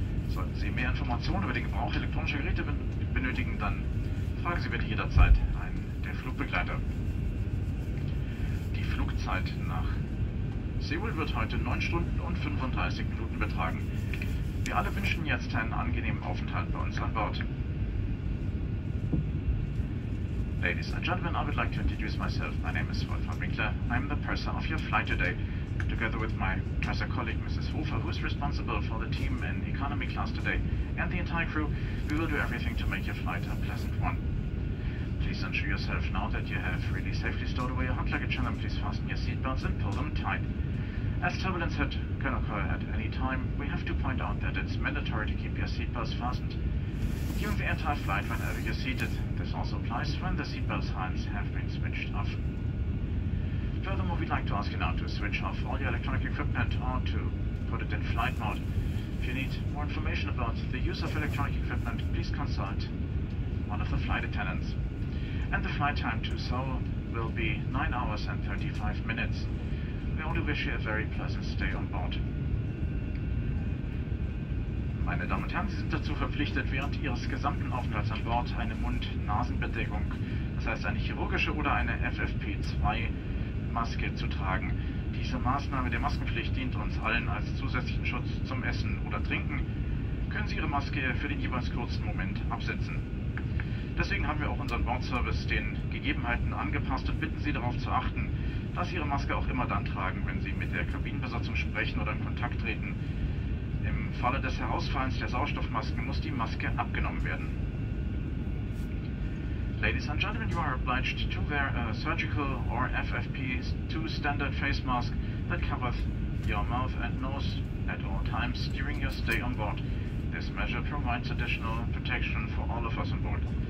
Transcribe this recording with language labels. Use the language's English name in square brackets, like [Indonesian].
[German] Sollten Sie mehr Informationen über den Gebrauch elektronischer Geräte benötigen, dann fragen Sie bitte jederzeit einen der Flugbegleiter. Die Flugzeit nach Seoul wird heute 9 Stunden und 35 Minuten betragen. Wir alle wünschen jetzt einen angenehmen Aufenthalt bei uns an Bord. [English] Ladies and gentlemen, I would like to introduce myself. My name is Wolfgang Winkler. I'm the purser of your flight today, together with my purser colleague, Mrs. Hofer, who is responsible for the team in economy class today, and the entire crew. We will do everything to make your flight a pleasant one. Please ensure yourself now that you have really safely stowed away your hand luggage, and then please fasten your seatbelts and pull them tight. As turbulence can occur at any time, we have to point out that it's mandatory to keep your seatbelts fastened during the entire flight whenever you're seated. This also applies when the seatbelt signs have been switched off. Furthermore, we'd like to ask you now to switch off all your electronic equipment or to put it in flight mode. If you need more information about the use of electronic equipment, please consult one of the flight attendants. And the flight time to Seoul will be 9 hours and 35 minutes. We only wish you a very pleasant stay on board. [German] Meine Damen und Herren, Sie sind dazu verpflichtet, während Ihres gesamten Aufenthalts an Bord eine Mund-Nasen-Bedeckung, das heißt eine chirurgische oder eine FFP2-Maske zu tragen. Diese Maßnahme der Maskenpflicht dient uns allen als zusätzlichen Schutz zum Essen oder Trinken. Können Sie Ihre Maske für den jeweils kurzen Moment absetzen. Deswegen haben wir auch unseren Bordservice den Gegebenheiten angepasst und bitten Sie darauf zu achten, dass Sie Ihre Maske auch immer dann tragen, wenn Sie mit der Kabinenbesatzung sprechen oder in Kontakt treten. Im Falle des Herausfallens der Sauerstoffmasken muss die Maske abgenommen werden. [English] Ladies and gentlemen, you are obliged to wear a surgical or FFP2 standard face mask that covers your mouth and nose at all times during your stay on board. This measure provides additional protection for all of us on board.